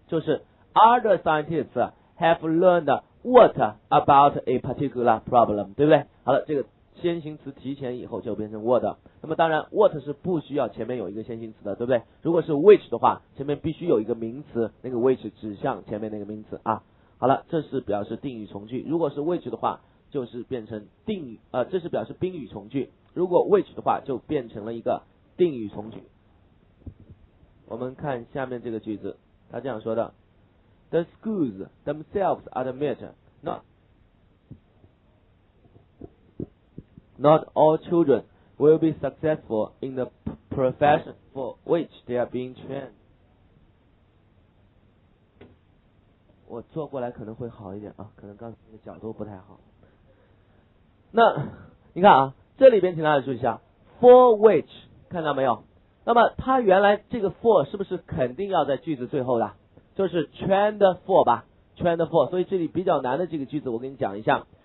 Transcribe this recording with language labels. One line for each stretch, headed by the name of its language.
English: 就是 other scientists have learned what about a particular problem, 对不对？
Chinese: 好了，这个先行词提前以后就变成 what。那么当然 what 是不需要前面有一个先行词的，对不对？如果是 which 的话，前面必须有一个名词，那个 which 指向前面那个名词啊。好了，这是表示定语从句，如果是 which 的话就是变成定语，这是表示宾语从句，如果 which 的话就变成了一个定语从句。
English: 我们看下面这个句子，他这样说的 The schools themselves admit not all children will be successful in the profession for which they are being trained.
Chinese: 我坐过来可能会好一点啊，可能刚才的角度不太好。那你看啊，这里边请大家注意一下 for which, 看到没有？那么它原来这个 for 是不是肯定要在句子最后的，就是 trained for 吧， trained for, 所以这里比较难的这个句子我跟你讲一下。